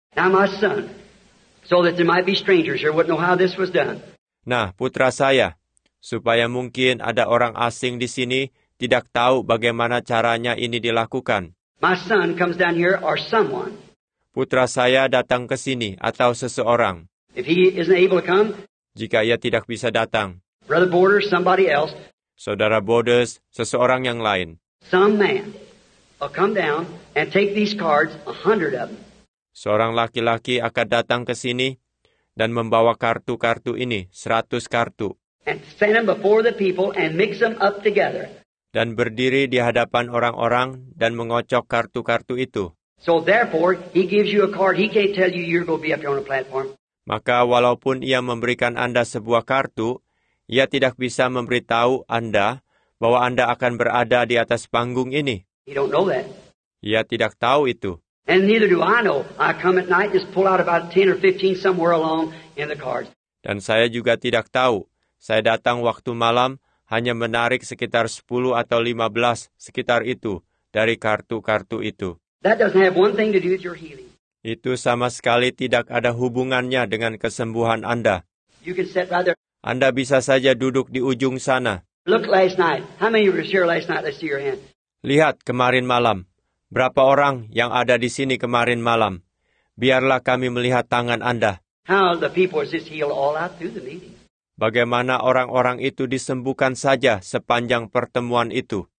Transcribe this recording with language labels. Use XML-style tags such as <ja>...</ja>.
<en>Now my son, so that there might be strangers here, wouldn't know how this was done.</en> <id>Nah, putra saya, supaya mungkin ada orang asing di sini tidak tahu bagaimana caranya ini dilakukan.</id> <en>My son comes down here or someone.</en> <id>Putra saya datang ke sini atau seseorang.</id> <en>If he isn't able to come,</en> <id>jika ia tidak bisa datang.</id> <en>Brother Borders, somebody else.</en> <id>Saudara Borders, seseorang yang lain.</id> <en>Some man will come down and take these cards, 100 of them.</en> <id>Seorang laki-laki akan datang ke sini dan membawa kartu-kartu ini, 100 kartu.</id> <en>And stand them before the people and mix them up together.</en> <id>Dan berdiri di hadapan orang-orang dan mengocok kartu-kartu itu.</id> <en>So therefore, he gives you a card. He can't tell you you're going to be up here on a platform.</en> <id>Maka walaupun ia memberikan Anda sebuah kartu, ia tidak bisa memberitahu Anda bahwa Anda akan berada di atas panggung ini.</id> <en>He don't know that.</en> <id>Ia tidak tahu itu.</id> <en>And neither do I know. I come at night, just pull out about 10 or 15 somewhere along in the cards.</en> <id>Dan saya juga tidak tahu. Saya datang waktu malam, hanya menarik sekitar 10 atau 15 sekitar itu dari kartu-kartu itu.</id> <en>That doesn't have one thing to do with your healing.</en> <id>Itu sama sekali tidak ada hubungannya dengan kesembuhan Anda.</id> <en>You can sit right there.</en> <id>Anda bisa saja duduk di ujung sana.</id> <en>Look last night. How many were here last night? Let's see your hand.</en> <id>Lihat kemarin malam. Berapa orang yang ada di sini kemarin malam? Biarlah kami melihat tangan Anda.</id> <en>How the people just healed all out through the meeting.</en> <id>Bagaimana orang-orang itu disembuhkan saja sepanjang pertemuan itu.</id>